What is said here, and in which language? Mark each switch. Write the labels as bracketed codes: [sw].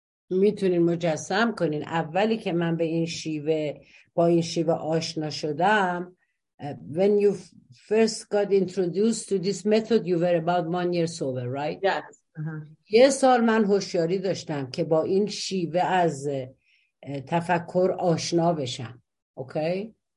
[fa] میتونین مجسم کنین اولی که من به این شیوه با این شیوه آشنا شدم. [en] When you first got introduced to this method, you were about 1 year sober, right? Yes. [fa] یه سال من هوشیاری داشتم که با این شیوه از تفکر آشنا بشم. Okay.